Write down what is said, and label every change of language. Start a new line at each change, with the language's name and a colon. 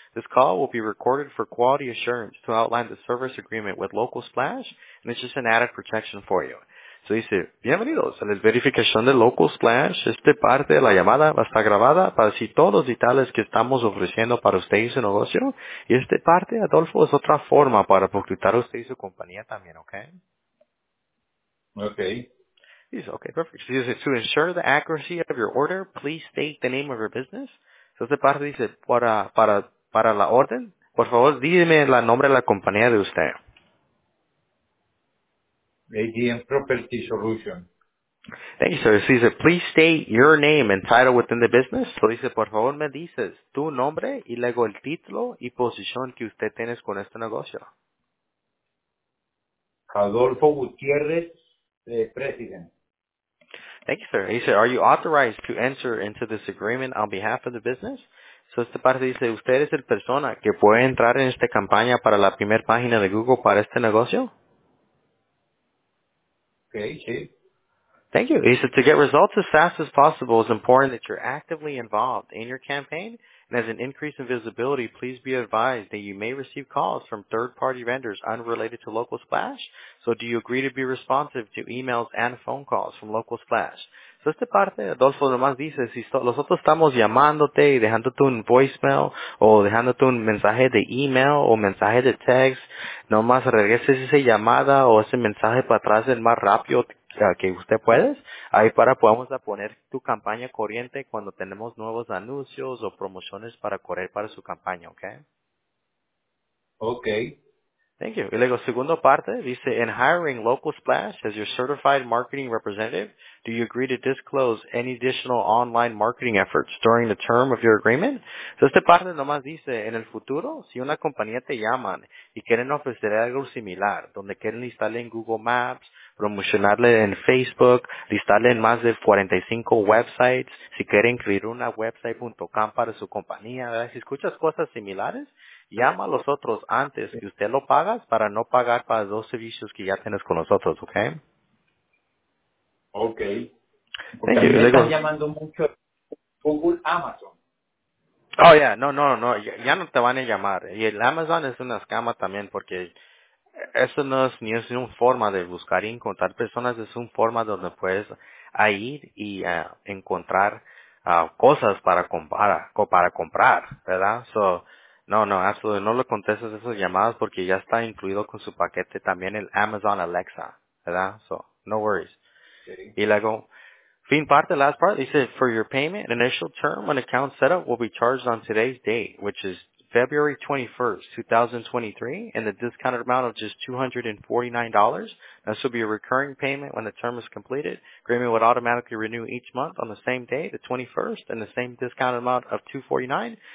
English: This call will be recorded for quality assurance to outline the service agreement with Local Splash, and it's just an added protection for you.
Spanish: So dice, bienvenidos a la verificación de Local Splash. Esta parte de la llamada va a estar grabada para decir todos los detalles que estamos ofreciendo para usted y su negocio. Y esta parte, Adolfo, es otra forma para publicitar usted y su compañía también, ¿okay? Okay. Okay, perfect.
English: So, to ensure the accuracy of your order, please state the name of your business.
Spanish: So, esta parte dice, para la orden, por favor, dime el nombre de la compañía de usted.
English: ADM Property Solution. Thank you, sir. So, dice, please state your name and title within the business.
Spanish: So, dice, por favor, me dices tu nombre y luego el título y posición que usted tiene con este negocio.
English: Adolfo Gutiérrez, President. Thank you, sir. He said, are you authorized to enter into this agreement on behalf of the business?
Spanish: So, esta parte dice, ¿usted es el persona que puede entrar en esta campaña para la primera página de Google para este negocio? Okay, sí.
English: Thank you. He said, to get results as fast as possible, it's important that you're actively involved in your campaign. And as an increase in visibility, please be advised that you may receive calls from third-party vendors unrelated to Local Splash. So do you agree to be responsive to emails and phone calls from Local Splash?
Spanish: So esta parte, Adolfo, nomás dice, si nosotros estamos llamándote y dejándote un voicemail o dejándote un mensaje de email o mensaje de text, nomás regreses esa llamada o ese mensaje para atrás el más rápido que usted puede, ahí para podamos poner tu campaña corriente cuando tenemos nuevos anuncios o promociones para correr para su campaña, ¿ok? Ok.
English: Thank you.
Spanish: Y luego, segundo parte, dice,
English: in hiring Local Splash as your certified marketing representative, do you agree to disclose any additional online marketing efforts during the term of your agreement?
Spanish: So, esta parte nomás dice, en el futuro, si una compañía te llaman y quieren ofrecer algo similar, donde quieren listarle en Google Maps, promocionarle en Facebook, listarle en más de 45 websites, si quieren crear una website.com para su compañía, ¿verdad? Si escuchas cosas similares, llama a los otros antes que usted lo pagas para no pagar para dos servicios que ya tienes con nosotros, ¿ok? Okay. Porque me están llamando mucho Google, Amazon. Oh, yeah. No. Ya no te van a llamar. Y el Amazon es una escama también porque eso no es ni es una forma de buscar y encontrar personas. Es una forma donde puedes ir y encontrar cosas para comprar, ¿verdad? So, No, absolutamente no le contestes esas llamadas porque ya está incluido con su paquete también el Amazon Alexa, ¿verdad?
English: So, no worries. Okay.
Spanish: Y luego, fin parte,
English: last part, dice, for your payment, initial term and account setup will be charged on today's date, which is February 21st, 2023, and the discounted amount of just $249. This will be a recurring payment when the term is completed. Agreement would automatically renew each month on the same day, the 21st, and the same discounted amount of $249.